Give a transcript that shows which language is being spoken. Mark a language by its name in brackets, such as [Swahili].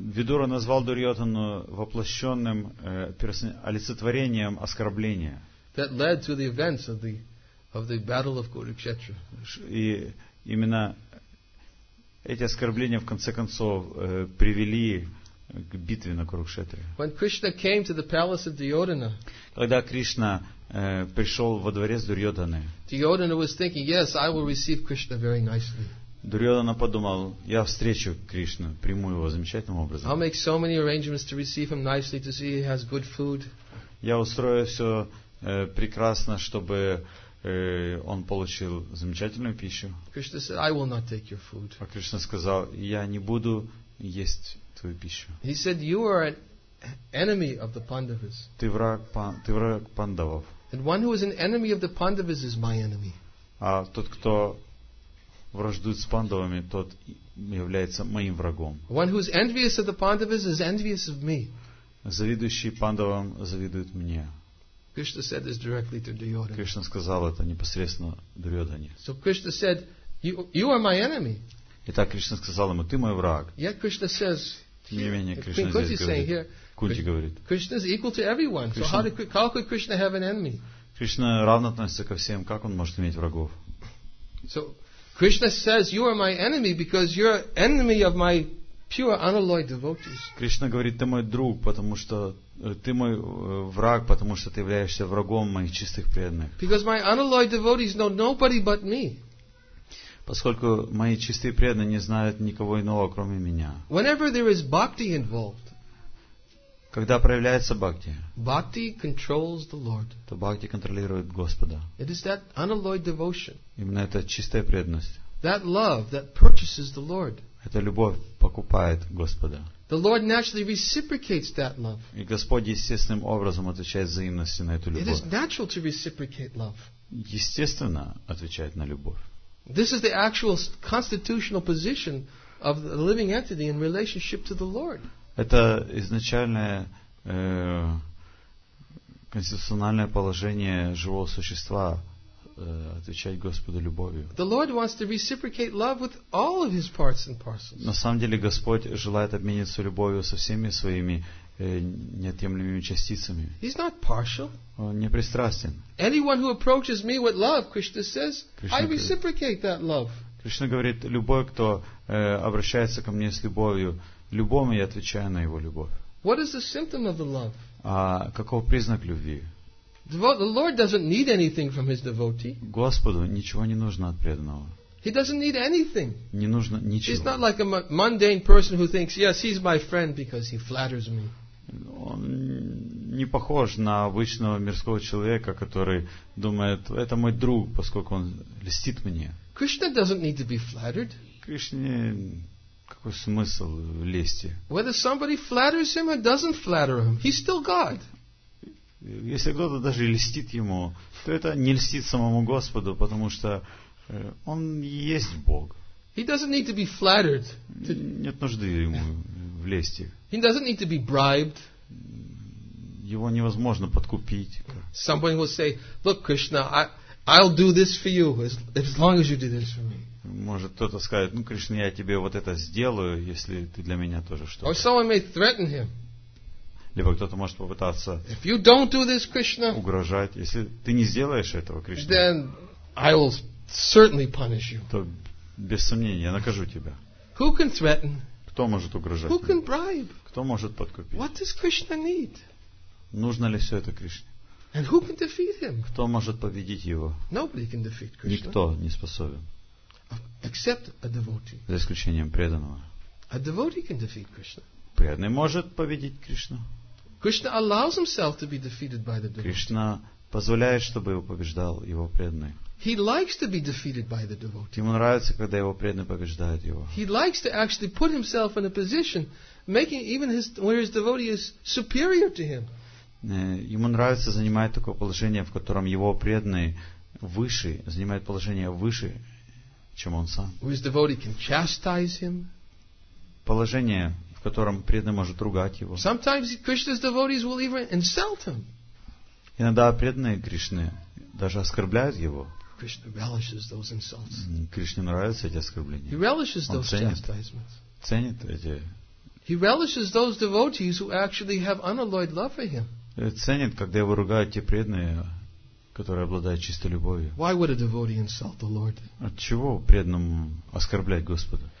[Russian] Видура назвал Дурьотану воплощенным олицетворением оскорбления. [English] That led to the events of the battle of Kurukshetra. [Russian] И именно эти оскорбления в конце концов привели к битве на Курукшетре. [English] When Krishna came to the palace of Duryodhana, [Russian] когда Кришна пришел во дворец Дурьотаны, [English] Duryodhana was thinking, yes, I will receive Krishna very nicely. [Russian] Дурьодхана подумал, я встречу Кришну, приму его замечательным образом. [English] I'll make so many arrangements to receive him nicely, to see he has good food. [Russian] Я устрою все прекрасно, чтобы он получил замечательную пищу. [English] Krishna said, I will not take your food. [Russian] А Кришна сказал, я не буду есть твою пищу. [English] He said, you are an enemy of the Pandavas. [Russian] Ты враг пандавов. [English] And one who is an enemy of the Pandavas is my enemy. [Russian] А тот, кто враждует с пандавами, тот является моим врагом. [English] One who is envious of the Pandavas is envious of me. [Russian] Завидующий Пандавам завидует мне. [English] Krishna said this directly to Duryodhana. [Russian] Кришна сказал это непосредственно Дурьодхане. [English] So Krishna said, you are my enemy. [Russian] Итак, Кришна сказал ему, ты мой враг. [English] Yet Krishna says, [Russian] тем не менее, Кришна здесь говорит, Кунти говорит, [English] Krishna is equal to everyone. So how could Krishna have an enemy? [Russian] Кришна равно относится ко всем, как он может иметь врагов? [English] So Krishna says, you are my enemy because you're enemy of my pure unalloyed devotees. [Russian] Кришна говорит, ты мой друг, потому что ты мой враг, потому что ты являешься врагом моих чистых преданных. [English] Because my unalloyed devotees know nobody but me. [Russian] Поскольку мои чистые преданные не знают никого иного, кроме меня. [English] Whenever there is bhakti involved, [Russian] когда проявляется бхакти, [English] bhakti controls the Lord. [Russian] То бхакти контролирует Господа. [English] It is that unalloyed devotion. [Russian] Именно это чистая преданность. [English] That love that purchases the Lord. [Russian] Эта любовь покупает Господа. [English] The Lord naturally reciprocates that love. [Russian] И Господь естественным образом отвечает взаимностью на эту любовь. [English] It is natural to reciprocate love. [Russian] Естественно отвечает на любовь. [English] This is the actual constitutional position of the living entity in relationship to the Lord. [Russian] Это изначальное конституциональное положение живого существа отвечать Господу любовью. [English] The Lord wants to reciprocate love with all of His parts and parcels. [Russian] На самом деле Господь желает обмениться любовью со всеми своими неотъемлемыми частицами. [English] He's not partial. [Russian] Он не пристрастен. [English] Anyone who approaches me with love, Krishna says, I reciprocate that love. [Russian] Кришна говорит, любой, кто обращается ко мне с любовью, любому я отвечаю на его любовь. [English] What is the symptom of the love? [Russian] А каков признак любви? [English] The Lord doesn't need anything from his devotee. [Russian] Господу ничего не нужно от преданного. [English] He doesn't need anything. [Russian] Не нужно ничего. [English] He's not like a mundane person who thinks, yes, he's my friend because he flatters me. [Russian] Он не похож на обычного мирского человека, который думает, это мой друг, поскольку он льстит мне. [English] Krishna doesn't need to be flattered. [Russian] Кришне какой смысл в лести? [English] Whether somebody flatters him or doesn't flatter him, he's still God. [Russian] Если кто-то даже льстит ему, то это не льстит самому Господу, потому что он есть Бог. [English] He doesn't need to be flattered. [Russian] Нет нужды ему в лести. [English] He doesn't need to be bribed. [Russian] Его невозможно подкупить. [English] Somebody will say, "Look, Krishna, I'll do this for you as long as you do this for me." [Russian] Может кто-то скажет, ну, Кришна, я тебе вот это сделаю, если ты для меня тоже что-то. [English] Or someone may threaten him. [Russian] Либо кто-то может попытаться. [English] If you don't do this, Krishna, [Russian] угрожать, если ты не сделаешь этого, Кришна, [English] then I will certainly punish you. [Russian] То без сомнения я накажу тебя. [English] Who can threaten? [Russian] Кто может угрожать? [English] Who can bribe? [Russian] Кто может подкупить? [English] What does Krishna need? [Russian] Нужно ли все это Кришне? [English] And who can defeat him? [Russian] Кто может победить его? [English] Nobody can defeat Krishna. [Russian] Никто не способен. [English] Except a devotee. [Russian] За исключением преданного. [English] A devotee can defeat Krishna. [Russian] Преданный может победить Кришну. [English] Krishna allows himself to be defeated by the devotee. [Russian] Кришна позволяет, чтобы его побеждал его преданный. [English] He likes to be defeated by the devotee. [Russian] Ему нравится, когда его преданный побеждает его. [English] He likes to actually put himself in a position, making even his where his devotee is superior to him. [Russian] Ему нравится занимать такое положение, в котором его преданный выше, занимает положение выше, чем он сам. [English] Where his devotee can chastise him. [Russian] Положение, в котором преданный может ругать его. [English] Sometimes Krishna's devotees will even insult him. [Russian] Иногда преданные Кришны даже оскорбляют его. [English] Krishna relishes those insults. [Russian] Кришне нравятся эти оскорбления. [English] He relishes those chastisements. [Russian] Ценит эти. [English] He relishes those devotees who actually have unalloyed love for him. [Russian] Ценит, когда его ругают те преданные, которые обладают чистой любовью. [English] Why would a devotee insult the Lord? [Russian] Отчего преданному оскорблять Господа?